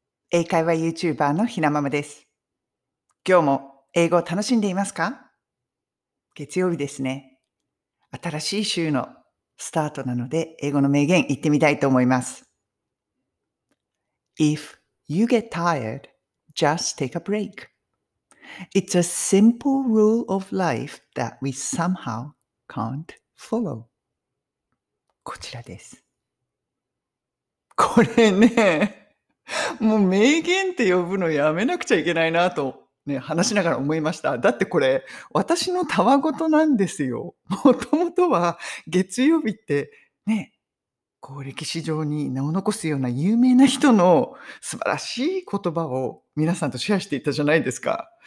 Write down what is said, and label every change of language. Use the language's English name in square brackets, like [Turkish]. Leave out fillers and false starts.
[Japanese] 英会話 YouTuber のひなままです。今日も英語を楽しんでいますか？月曜日ですね。新しい週のスタートなので英語の名言言ってみたいと思います。 [English] If you get tired, just take a break. It's a simple rule of life that we somehow can't follow. [Japanese] こちらです。これね、もう名言って呼ぶのやめなくちゃいけないなとね、話しながら思いました。だってこれ、私のたわごとなんですよ。もともとは月曜日ってね、こう歴史上に名を残すような有名な人の素晴らしい言葉を皆さんとシェアしていたじゃないですか。